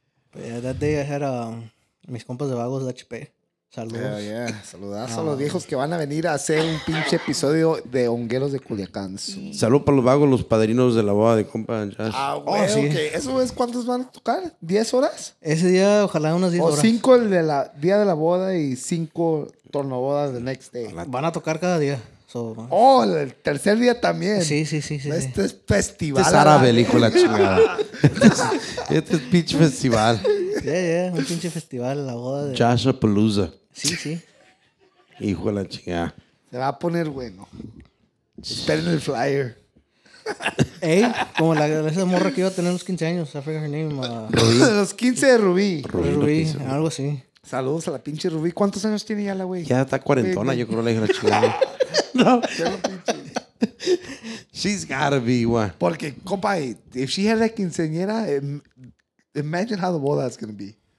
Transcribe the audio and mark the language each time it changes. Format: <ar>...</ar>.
<en>But yeah, that day I had</en> <es>mis compas de vagos de</es> <en>HP.</en> <es>Saludos.</es> <en>Yeah, yeah.</en> <es>Saludazos a los viejos que van a venir a hacer un pinche episodio de Hongueros de Culiacán. Salud para los vagos, los padrinos de la boda de compa Josh. Ah, güey, oh, sí. Okay. ¿Eso es cuántos van a tocar? ¿10 horas? Ese día, ojalá unas 10 horas. O 5 el de la, día de la boda y 5 tornobodas</es> <en>the next day.</en> <es>Van a tocar cada día.</es> <en>So,</en> <es>oh, el tercer día también. Sí. Este sí. Es festival. Este es árabe, hijo de la chingada. Este es pinche festival.</es> <en>Yeah,</en> <es>un pinche festival, la boda de... Josh Palooza. Sí. Hijo de la chingada. Se va a poner bueno. Esperen el flyer. Ey, como la esa morra que iba a tener los 15 años.</es> <en>I forget her name.</en> <es>Los 15 de Rubí. Rubí, no algo así. Saludos a la pinche Rubí. ¿Cuántos años tiene ya la güey? Ya está cuarentona, yo creo, la hija de la chingada.</es> <en>No. She's gotta be one.</en> <es>Porque, compa,</es> <en>if she had a quinceañera, imagine how the boda is gonna be.</en>